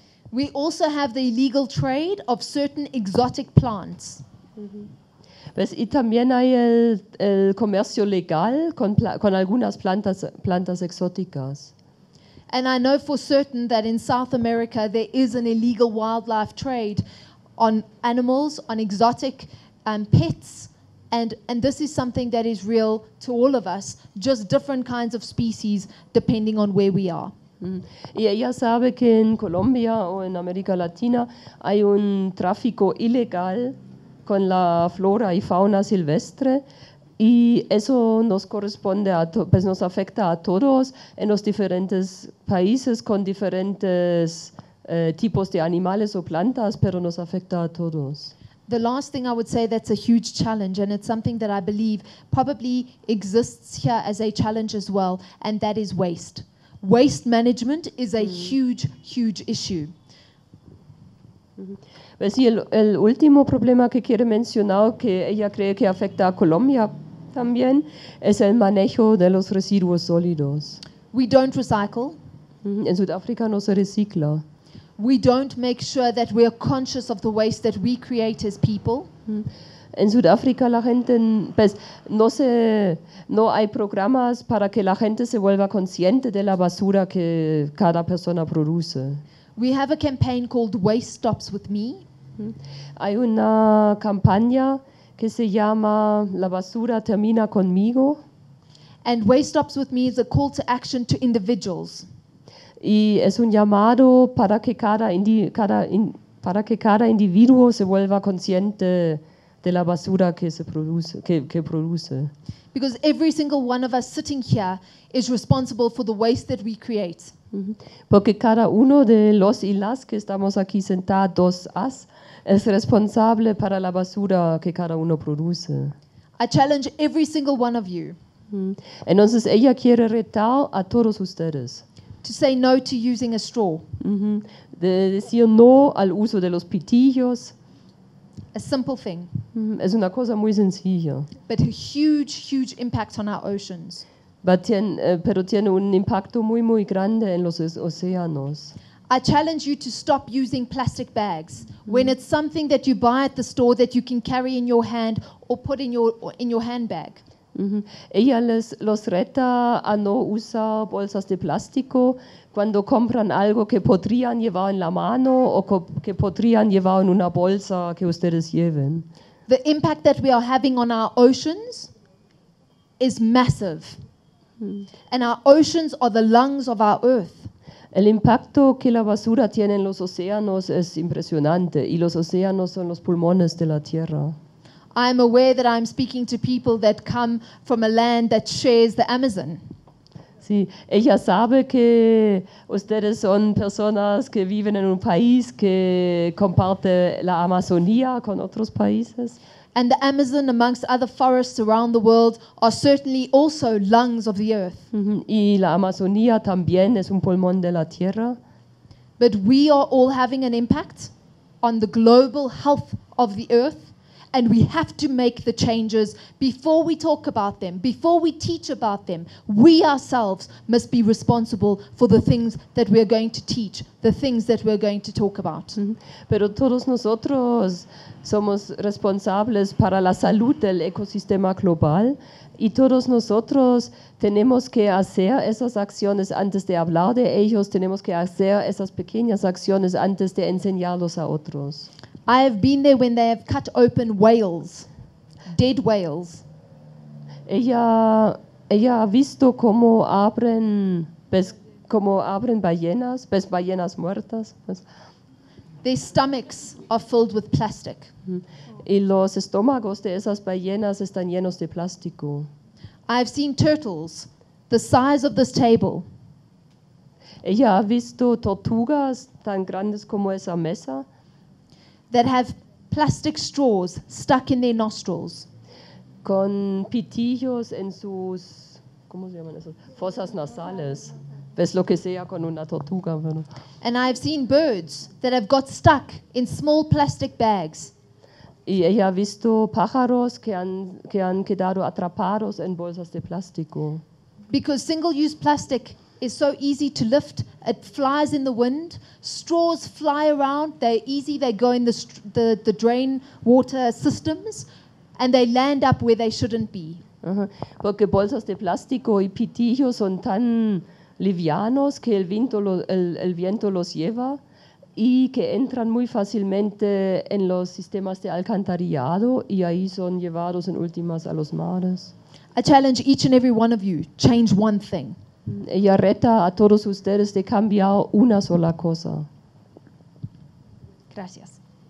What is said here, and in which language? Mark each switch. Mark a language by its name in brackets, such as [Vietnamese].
[English] We also have the illegal trade of certain exotic plants. Mm-hmm. [Spanish] Pues, y también hay el comercio legal con algunas plantas exóticas. [English] And I know for certain that in South America there is an illegal wildlife trade on animals, on exotic pets. And this is something that is real to all of us, just different kinds of species depending on where we are. Mm. [Spanish] Y ella sabe que en Colombia o en América Latina hay un tráfico ilegal con la flora y fauna silvestre y eso nos corresponde nos afecta a todos en los diferentes países con diferentes tipos de animales o plantas, pero nos afecta a todos. [English] The last thing I would say that's a huge challenge, and it's something that I believe probably exists here as a challenge as well, and that is waste. Waste management is a huge, huge issue. [Spanish] Pues sí, el último problema que quiere mencionar, que ella cree que afecta a Colombia también, es el manejo de los residuos sólidos. [English] We don't recycle. [Spanish] En Sudáfrica no se recicla. [English] We don't make sure that we are conscious of the waste that we create as people. [Spanish] En Sudáfrica la gente no hay programas para que la gente se vuelva consciente de la basura que cada persona produce. [English] We have a campaign called Waste Stops With Me. [Spanish] Hay una campaña que se llama La Basura Termina Conmigo. [English] And Waste Stops With Me is a call to action to individuals. [Spanish] Y es un llamado para que cada individuo se vuelva consciente de la basura que se produce, que produce. [English] Because every single one of us sitting here is responsible for the waste that we create. [Spanish] Porque cada uno de los y las que estamos aquí sentados es responsable para la basura que cada uno produce. [English] I challenge every single one of you. [Spanish] Entonces ella quiere retar a todos ustedes. [English] To say no to using a straw. Mm-hmm. [Spanish] De decir no al uso de los pitillos. [English] A simple thing. [Spanish] Mm-hmm. Es una cosa muy sencilla. [English] But a huge, huge impact on our oceans. [Spanish] Pero tiene un impacto muy, muy grande en los océanos. [English] I challenge you to stop using plastic bags. Mm-hmm. When it's something that you buy at the store that you can carry in your hand or put in your handbag. Mm-hmm. [Spanish] Ella los reta a no usar bolsas de plástico cuando compran algo que podrían llevar en la mano o que podrían llevar en una bolsa que ustedes lleven. [English] The impact that we are having on our oceans is massive. And our oceans are the lungs of our earth. [Spanish] El impacto que la basura tiene en los océanos es impresionante y los océanos son los pulmones de la tierra. [English] I am aware that I'm speaking to people that come from a land that shares the Amazon. [Spanish] Sí, ella sabe que ustedes son personas que viven en un país que comparte la Amazonía con otros países. [English] And the Amazon, amongst other forests around the world, are certainly also lungs of the earth. [Spanish] Y la Amazonía también es un pulmón de la tierra. [English] But we are all having an impact on the global health of the earth. and we have to make the changes before we talk about them, before we teach about them. We ourselves must be responsible for the things that we are going to teach, the things that we are going to talk about. Mm-hmm. [Spanish] Pero todos nosotros somos responsables para la salud del ecosistema global. Y todos nosotros tenemos que hacer esas acciones antes de hablar de ellos, tenemos que hacer esas pequeñas acciones antes de enseñarlos a otros. [English] I have been there when they have cut open whales, dead whales. [Spanish] Ella ha visto cómo abren, ballenas, pez ballenas muertas. [English] Their stomachs are filled with plastic. [Spanish] Y los estómagos de esas ballenas están llenos de plástico. [English] I've seen turtles the size of this table. [Spanish] Ella ha visto tortugas tan grandes como esa mesa. [English] That have plastic straws stuck in their nostrils. [Spanish] Con pitillos en sus, ¿cómo se llaman esos? Fosas nasales. Ves lo que sea con una tortuga, bueno. [English] And I've seen birds that have got stuck in small plastic bags. [Spanish] Y ella ha visto pájaros que han quedado atrapados en bolsas de plástico. [English] Because single-use plastic is so easy to lift, it flies in the wind, straws fly around, they're easy, they go in the drain water systems, and they land up where they shouldn't be. [Spanish] Porque bolsas de plástico y pitillos son tan livianos que el viento los lleva. Y que entran muy fácilmente en los sistemas de alcantarillado y ahí son llevados en últimas a los mares. [English] I challenge each and every one of you, change one thing. [Spanish] Ella reta a todos ustedes de cambiar una sola cosa. Gracias.